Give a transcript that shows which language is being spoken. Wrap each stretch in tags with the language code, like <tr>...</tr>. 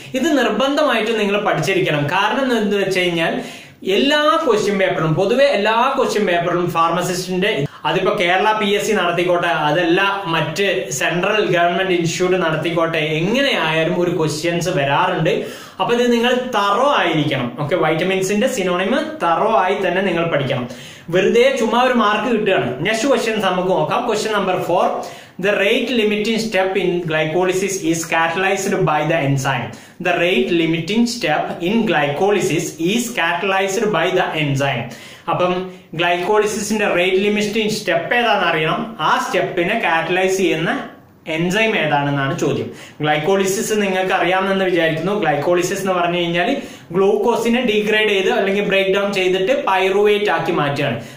<ml>ഇത് നിർബന്ധമായിട്ടും നിങ്ങൾ പഠിച്ചിരിക്കണം. കാരണം എന്ന് വെച്ച് കഴിഞ്ഞാൽ എല്ലാ ക്വസ്റ്റ്യൻ പേപ്പറിലും, പൊതുവെ എല്ലാ ക്വസ്റ്റ്യൻ പേപ്പറിലും ഫാർമസിസ്റ്റിന്റെ, അതിപ്പോ കേരള പി എസ് സി നടത്തിക്കോട്ടെ, അതല്ല മറ്റ് സെൻട്രൽ ഗവൺമെന്റ് ഇൻസ്റ്റിറ്റ്യൂട്ട് നടത്തിക്കോട്ടെ, എങ്ങനെയായാലും ഒരു ക്വസ്റ്റ്യൻസ് വരാറുണ്ട്. അപ്പൊ ഇത് നിങ്ങൾ തറോ ആയിരിക്കണം. ഓക്കെ, വൈറ്റമിൻസിന്റെ സിനോണിമ തറോ ആയി തന്നെ നിങ്ങൾ പഠിക്കണം. വെറുതെ ചുമ്മാ ഒരു മാർക്ക് കിട്ടുകയാണ്. നെക്സ്റ്റ് ക്വസ്റ്റ്യൻ നമുക്ക് നോക്കാം.</ml> <en>Question number four. The rate limiting step in glycolysis is catalyzed by the enzyme. The rate limiting step in glycolysis is catalyzed by the enzyme.</en> <ml>അപ്പം ഗ്ലൈക്കോളിസിന്റെ റേറ്റ് ലിമിറ്റിംഗ് സ്റ്റെപ്പ് ഏതാണെന്ന് അറിയണം. ആ സ്റ്റെപ്പിനെ catalyse ചെയ്യുന്ന enzyme ഏതാണെന്നാണ് ചോദ്യം. Glycolysis നിങ്ങൾക്ക് അറിയാമെന്ന് വിചാരിക്കുന്നു. Glycolysis എന്ന് പറഞ്ഞു കഴിഞ്ഞാൽ ഗ്ലൂക്കോസിനെ ഡീഗ്രേഡ് ചെയ്ത് അല്ലെങ്കിൽ ബ്രേക്ക് ഡൗൺ ചെയ്തിട്ട് പൈറുവേറ്റ് ആക്കി മാറ്റുകയാണ്.</ml>